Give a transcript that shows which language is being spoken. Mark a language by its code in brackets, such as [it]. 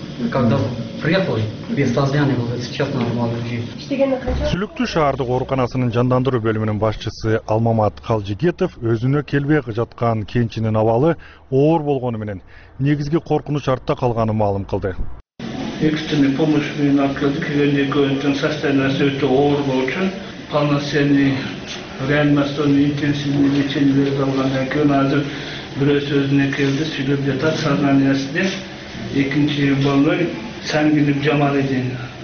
[ru] Когда приехали, без сознания было, сейчас нормально жить. [ky] Сүлүктү шаардык ооруканасынын жандандыруу бөлүмүнүн башчысы Алмамат Калжигетов өзүнө келбей жаткан кенчинин абалы оор болгону менен негизги коркунуч артта калганын маалым кылды. [ru] Экстренный помощь [ky] мен аткарды келгенде көрүнгөн состояниясы өтө оор болчу. Панацеяны, реанимациянын интенсивный лечениелерди алгандан кийин азыр бирөөсү өзүнө келди, сүйлөп жатат, сознаниясыда. Экинчи больной Сангинов Жамаридин.